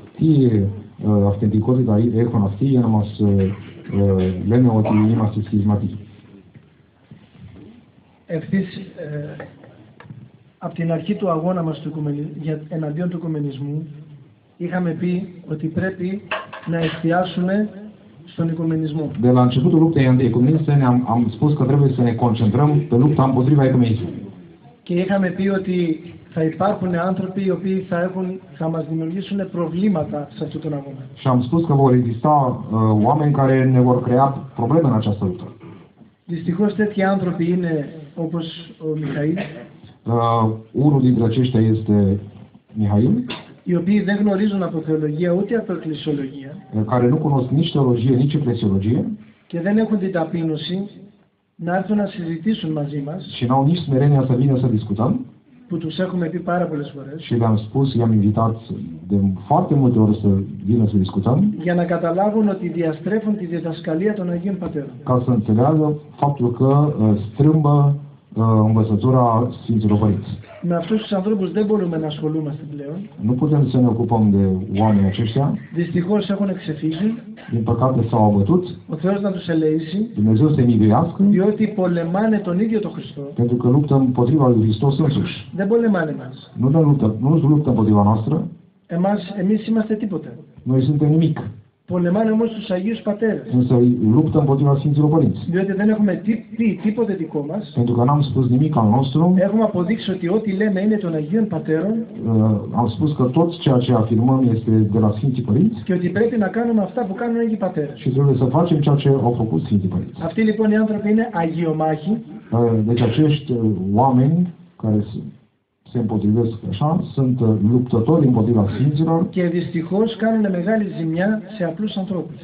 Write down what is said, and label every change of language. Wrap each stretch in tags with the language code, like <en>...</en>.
<el>Τι αυθεντικότητα έχουν αυτοί για να μας λένε ότι είμαστε σχισματικοί? Ευθύς, από την αρχή του αγώνα μας εναντίον του οικουμενισμού είχαμε πει ότι πρέπει να εστιάσουμε στον οικουμενισμό.</el> <ro>De la începutul luptei anti-ecumeniste am spus că trebuie să ne concentrăm pe lupta împotriva ecumenismului.</ro> <el>Και είχαμε πει ότι θα υπάρχουν άνθρωποι οι οποίοι θα μας δημιουργήσουν προβλήματα σε αυτόν τον αγώνα.</el> <ro>Și am spus că vor exista oameni care ne vor crea probleme în această luptă.</ro> <el>Δυστυχώς τέτοιοι άνθρωποι είναι όπως ο Μιχαήλ.</el> <ro>Unul dintre aceștia este Mihail.</ro> <el>Οι οποίοι δεν γνωρίζουν από θεολογία ούτε από εκκλησιολογία.</el> <ro>Care nu cunosc nici teologie, nici eclesiologie.</ro> <el>Και δεν έχουν την ταπείνωση να έρθουν να συζητήσουν μαζί μας.</el> <ro>Și n-au nici smerenia să vină să discutăm.</ro> <el>Που τους έχουμε πει πάρα πολλές φορές.</el> <ro>Și le-am spus, i-am invitat de foarte multe ori să vină să discutăm.</ro> <el>Για να καταλάβουν ότι διαστρέφουν τη διδασκαλία των Αγίων Πατέρων.</el> <ro>Ca să înțeleagă faptul că strâmbă învățătura Sfinților Părinți.</ro> <el>Με αυτούς τους ανθρώπους δεν μπορούμε να ασχολούμαστε πλέον.</el> <ro>Nu putem să ne ocupăm de oamenii aceștia.</ro> <el>Δυστυχώς έχουν εξεφύγει.</el> <ro>Din păcate s-au abătut.</ro> <el>Ο Θεός να τους ελεήσει.</el> <ro>Dumnezeu să-i miluiască.</ro> <el>Διότι πολεμάνε τον ίδιο τον Χριστό.</el> <ro>Pentru că luptă împotriva lui Hristos însuși.</ro> <el>Δεν πολεμάνε μας.</el> <ro>Nu luptă împotriva noastră.</ro> <el>Εμείς είμαστε τίποτα.</el> <ro>Noi suntem nimic.</ro> <el>Πολεμάνε όμως τους Αγίους Πατέρες.</el> <ro>Însă luptă împotriva Sfinților Părinți.</ro> <el>Διότι δεν έχουμε τίποτε δικό μας.</el> <ro>Pentru că n-am spus nimic al nostru.</ro> <el>Έχουμε αποδείξει ότι ό,τι λέμε είναι των Αγίων Πατέρων.</el> <ro>Am spus că tot ceea ce afirmăm este de la Sfinții Părinți.</ro> <el>Και ότι πρέπει να κάνουμε αυτά που κάνουν οι Αγίοι Πατέρες.</el> <ro>Și trebuie să facem ceea ce au făcut Sfinții Părinți.</ro> <el>Αυτοί λοιπόν οι άνθρωποι είναι αγιομάχοι.</el> <ro>Deci acești oameni care se împotrivesc așa, sunt luptători împotriva Sfinților.</ro> <el>Και δυστυχώς κάνουν μεγάλη ζημιά σε απλούς ανθρώπους.</el>